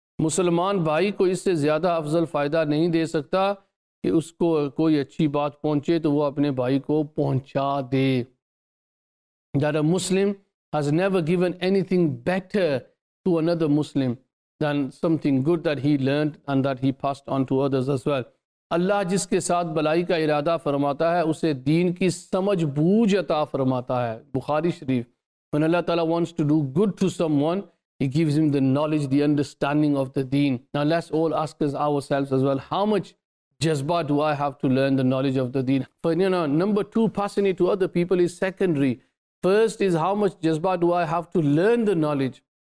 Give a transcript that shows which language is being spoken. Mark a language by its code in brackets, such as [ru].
[ur] Musliman bhai ko isse zyada afzal fayda nahi de sakta کہ اس کو کوئی اچھی بات پہنچے تو وہ اپنے بھائی کو پہنچا دے. [en] That a Muslim has never given anything better to another Muslim than something good that he learned and that he passed on to others as well. [ur] اللہ جس کے ساتھ بلائی کا ارادہ فرماتا ہے اسے دین کی سمجھ بوجھ عطا فرماتا ہے. بخاری شریف. [en] When Allah Ta'ala wants to do good to someone, He gives him the knowledge, the understanding of the deen. Now let's all ask us ourselves as well, how much jazba do I have to learn the knowledge of the deen? But you know, number two, passing it to other people is secondary. First is how much jazba do I have to learn the knowledge?